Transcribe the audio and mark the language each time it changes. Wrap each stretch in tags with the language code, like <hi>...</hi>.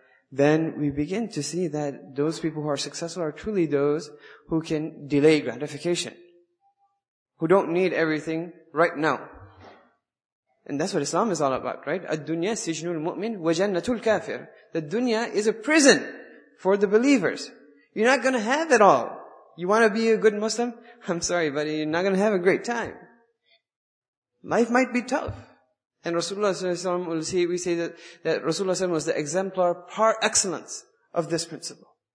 <en>then we begin to see that those people who are successful are truly those who can delay gratification, who don't need everything right now. And that's what Islam is all about, right?</en> <ar>الدنيا سجن المؤمن وجنة الكافر.</ar> <en>The dunya is a prison for the believers. You're not going to have it all. You want to be a good Muslim? I'm sorry, buddy, you're not going to have a great time. Life might be tough. And Rasulullah ﷺ, we say that Rasulullah ﷺ was the exemplar par excellence of this principle.</en>